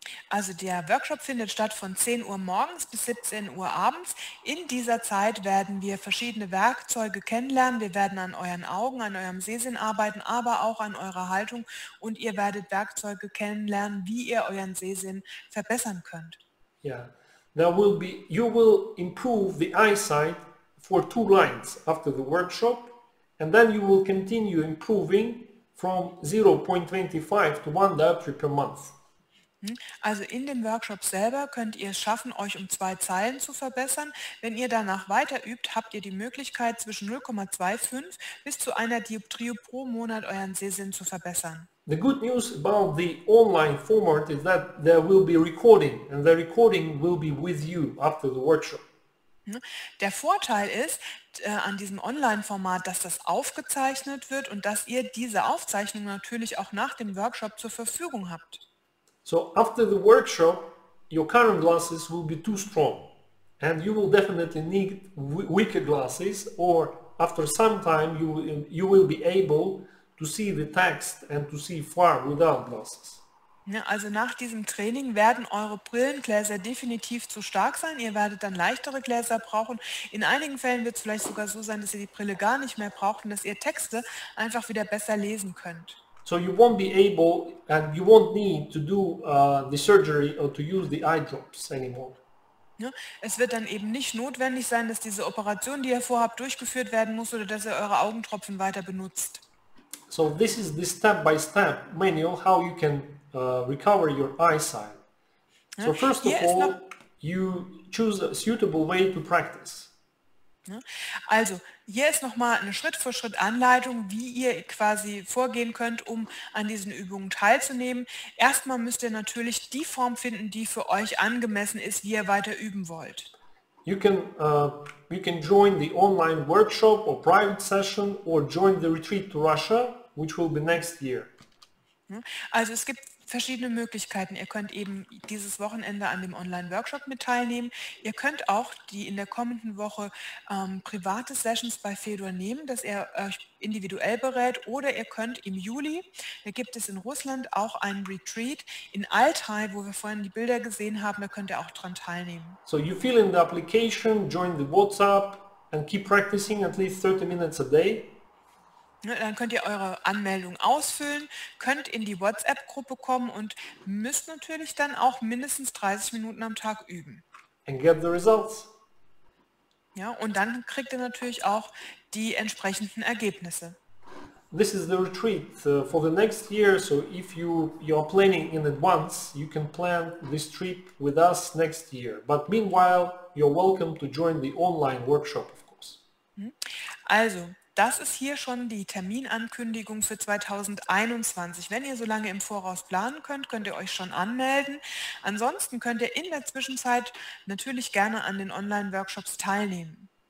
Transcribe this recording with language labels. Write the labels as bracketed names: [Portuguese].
[German] Also der Workshop findet statt von 10 Uhr morgens bis 17 Uhr abends. In dieser Zeit werden wir verschiedene Werkzeuge kennenlernen. Wir werden an euren Augen, an eurem Sehsinn arbeiten, aber auch an eurer Haltung. Und ihr werdet Werkzeuge kennenlernen, wie ihr euren Sehsinn verbessern könnt. Yeah. [English] There will be, you will improve the eyesight for 2 lines after the workshop. And then you will continue improving from 0.25 to 1 diopter per month. [German] Also in dem Workshop selber könnt ihr es schaffen, euch um 2 Zeilen zu verbessern. Wenn ihr danach weiter übt, habt ihr die Möglichkeit, zwischen 0,25 bis zu einer Dioptrie pro Monat euren Sehsinn zu verbessern. [English] The good news about the online format is that there will be recording, and the recording will be with you after the workshop. [German] Der Vorteil ist an diesem Online-Format, dass das aufgezeichnet wird und dass ihr diese Aufzeichnung natürlich auch nach dem Workshop zur Verfügung habt. [English] So after the workshop, your current glasses will be too strong and you will definitely need weaker glasses, or after some time you will be able to see the text and to see far without glasses. [German] Also nach diesem Training werden eure Brillengläser definitiv zu stark sein. Ihr werdet dann leichtere Gläser brauchen. In einigen Fällen wird es vielleicht sogar so sein, dass ihr die Brille gar nicht mehr braucht und dass ihr Texte einfach wieder besser lesen könnt. [English] So you won't be able and you won't need to do the surgery or to use the eye drops anymore. [German] Es wird dann eben nicht notwendig sein, dass diese Operation, die ihr vorhabt, durchgeführt werden muss oder dass ihr eure Augentropfen weiter benutzt. [English] So this is the step-by-step manual how you can recover your eyesight. So first of all, you choose a suitable way to practice. [German] Also hier ist nochmal eine Schritt-für-Schritt-Anleitung, wie ihr quasi vorgehen könnt, um an diesen Übungen teilzunehmen. Erstmal müsst ihr natürlich die Form finden, die für euch angemessen ist, wie ihr weiter üben wollt. [English] You can join the online workshop or private session or join the retreat to Russia, which will be next year. [German] Also es gibt verschiedene Möglichkeiten. Ihr könnt eben dieses Wochenende an dem Online-Workshop mit teilnehmen. Ihr könnt auch die in der kommenden Woche private Sessions bei Fedor nehmen, dass er euch individuell berät. Oder ihr könnt im Juli, da gibt es in Russland auch einen Retreat in Altai, wo wir vorhin die Bilder gesehen haben, da könnt ihr auch dran teilnehmen. [English] So you fill in the application, join the WhatsApp and keep practicing at least 30 minutes a day. [German] Dann könnt ihr eure Anmeldung ausfüllen, könnt in die WhatsApp-Gruppe kommen und müsst natürlich dann auch mindestens 30 Minuten am Tag üben. [English] And get the results. [German] Ja, und dann kriegt ihr natürlich auch die entsprechenden Ergebnisse. [English] This is the retreat for the next year, so if you are planning in advance, you can plan this trip with us next year. But meanwhile, you're welcome to join the online workshop, of course. [German] Also, das ist hier schon die Terminankündigung für 2021. Wenn ihr so lange im Voraus planen könnt, könnt ihr euch schon anmelden. Ansonsten könnt ihr in der Zwischenzeit natürlich gerne an den Online-Workshops teilnehmen.